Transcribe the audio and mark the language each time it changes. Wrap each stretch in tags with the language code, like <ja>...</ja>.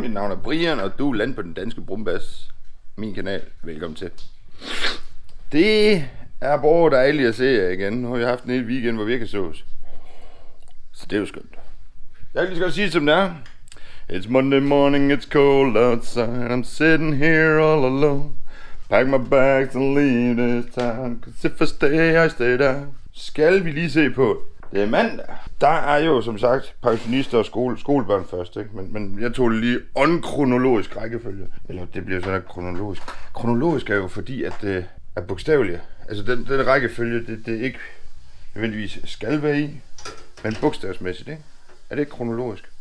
<da>Mit navn er Brian, og du er landet på den danske brumbas. Min kanal. Velkommen til. Det er bare dejligt at se jer igen. Nu har vi haft en hel weekend, hvor vi ikke kan sås. Så det er jo skønt. Jeg kan lige så godt sige, som det er.</da> <en>It's Monday morning, it's cold outside. I'm sitting here all alone. Pack my bags and leave this town. Cause if I stay, I stay down.</en> <da>Skal vi lige se på. Det er mandag. Der er jo som sagt pensionister og skolebørn først, ikke? Men jeg tog lige onkronologisk rækkefølge. Eller det bliver sådan kronologisk. Kronologisk er jo fordi, at det er bogstaveligt. Altså den rækkefølge, det er ikke nødvendigvis skal være i, men bogstavsmæssigt, ikke? Er det ikke kronologisk?</da>